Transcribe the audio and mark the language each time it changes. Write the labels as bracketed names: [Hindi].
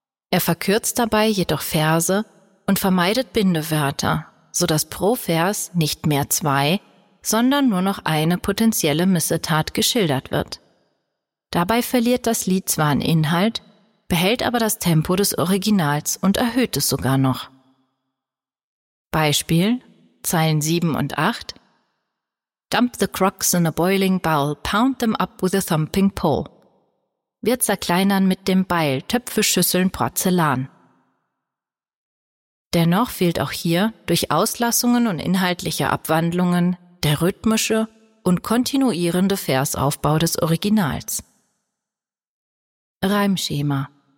[German] Er verkürzt dabei jedoch Verse und vermeidet Bindewörter, sodass pro Vers nicht mehr zwei, sondern nur noch eine potenzielle Missetat geschildert wird. Dabei verliert das Lied zwar an Inhalt, behält aber das Tempo des Originals und erhöht es sogar noch. Beispiel, Zeilen 7 und 8. [English] Dump the crocks in a boiling bowl, pound them up with a thumping pole. [German] Wir zerkleinern mit dem Beil Töpfe, Schüsseln, Porzellan. Dennoch fehlt auch hier durch Auslassungen und inhaltliche Abwandlungen der rhythmische und kontinuierende Versaufbau des Originals. Reimschema.